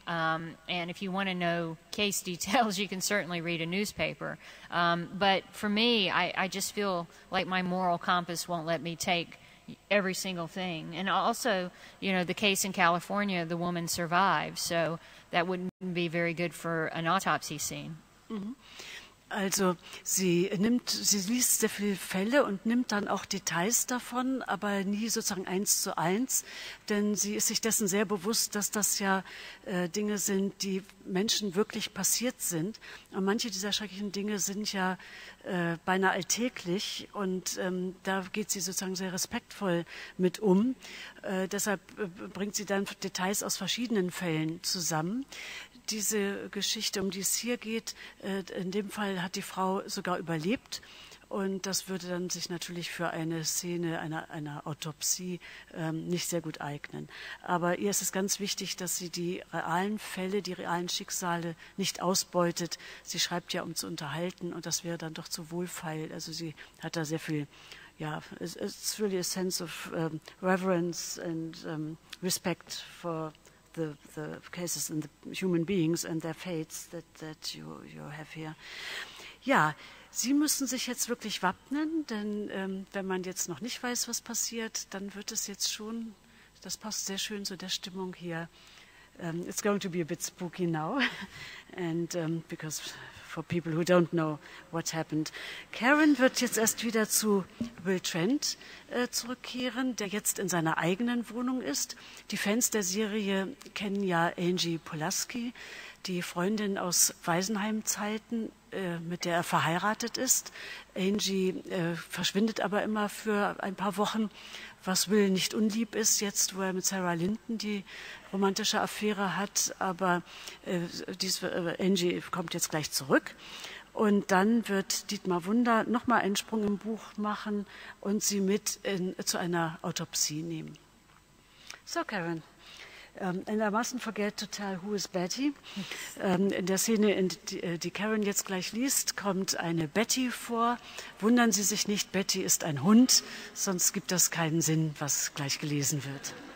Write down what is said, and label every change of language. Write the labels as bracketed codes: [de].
[en] And if you want to know case details, you can certainly read a newspaper. But for me, I just feel like my moral compass won't let me take every single thing. And also, you know, the case in California, the woman survived. So that wouldn't be very good for an autopsy scene. Mm-hmm. [de] Also sie liest sehr viele Fälle und nimmt dann auch Details davon, aber nie sozusagen eins zu eins, denn sie ist sich dessen sehr bewusst, dass das ja Dinge sind, die Menschen wirklich passiert sind. Und manche dieser schrecklichen Dinge sind ja beinahe alltäglich und da geht sie sozusagen sehr respektvoll mit um. Deshalb bringt sie dann Details aus verschiedenen Fällen zusammen. Diese Geschichte, um die es hier geht, in dem Fall hat die Frau sogar überlebt und das würde dann sich natürlich für eine Szene einer Autopsie nicht sehr gut eignen. Aber ihr ist es ganz wichtig, dass sie die realen Fälle, die realen Schicksale nicht ausbeutet. Sie schreibt ja, um zu unterhalten und das wäre dann doch zu wohlfeil. Also sie hat da sehr viel, ja, [en] it's really a sense of reverence and respect for the cases and the human beings and their fates that you have here. [de] Ja, Sie müssen sich jetzt wirklich wappnen, denn wenn man jetzt noch nicht weiß, was passiert, dann wird es jetzt schon, das passt sehr schön zu der Stimmung hier. [en] It's going to be a bit spooky now, and because for people who don't know what happened. [de] Karen wird jetzt erst wieder zu Will Trent zurückkehren, der jetzt in seiner eigenen Wohnung ist. Die Fans der Serie kennen ja Angie Pulaski, die Freundin aus Waisenheimzeiten, mit der er verheiratet ist. Angie verschwindet aber immer für ein paar Wochen, was Will nicht unlieb ist, jetzt wo er mit Sarah Linden die romantische Affäre hat. Aber Angie kommt jetzt gleich zurück. Und dann wird Dietmar Wunder nochmal einen Sprung im Buch machen und sie mit zu einer Autopsie nehmen. [en] So, Karen. And I mustn't forget to tell who is Betty. [de] In der Szene, in die Karen jetzt gleich liest, kommt eine Betty vor. Wundern Sie sich nicht, Betty ist ein Hund, sonst gibt das keinen Sinn, was gleich gelesen wird.